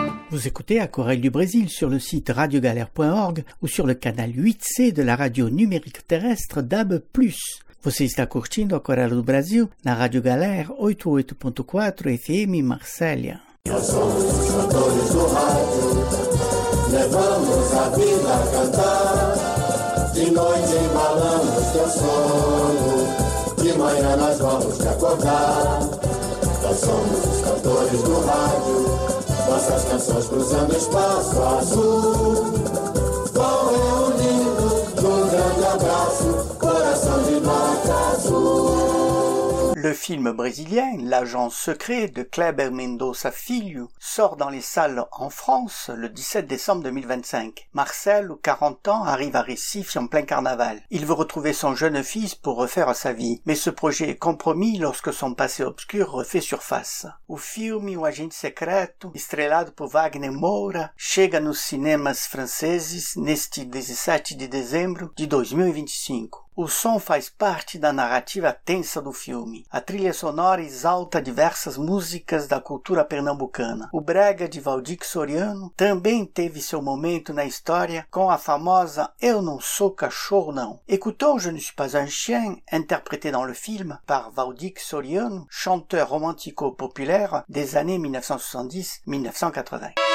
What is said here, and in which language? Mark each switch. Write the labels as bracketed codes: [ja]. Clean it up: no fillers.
[fr] Vous écoutez Aquarelle du Brésil sur le site radiogalère.org ou sur le canal 8C de la radio numérique terrestre DAB+. [pt] Você está curtindo Aquarelle do Brasil na Rádio Galère 88.4 FM Marselha. Nós somos cantores do rádio, levamos a vida a cantar. De noite embalamos teu sono, de manhã nós vamos te acordar. Nós somos os cantores do rádio, nossas canções cruzando espaço azul. Vão reunindo num grande abraço, coração de nota azul. [fr] Le film brésilien « L'agent secret » de Kleber Mendoza Filho sort dans les salles en France le 17 décembre 2025. Marcel, 40 ans, arrive à Recife en plein carnaval. Il veut retrouver son jeune fils pour refaire sa vie. Mais ce projet est compromis lorsque son passé obscur refait surface. [pt] O filme « O agente secreto » estrelado por Wagner Moura chega nos cinemas franceses neste 17 de dezembro de 2025. O som faz parte da narrativa tensa do filme. A trilha sonora exalta diversas músicas da cultura pernambucana. O brega de Valdir Soriano também teve seu momento na história com a famosa Eu Não Sou Cachorro Não. [fr] Écoutons Je Ne Suis Pas Un Chien, interprété dans le film par Valdir Soriano, chanteur romantico-populaire des années 1970-1980.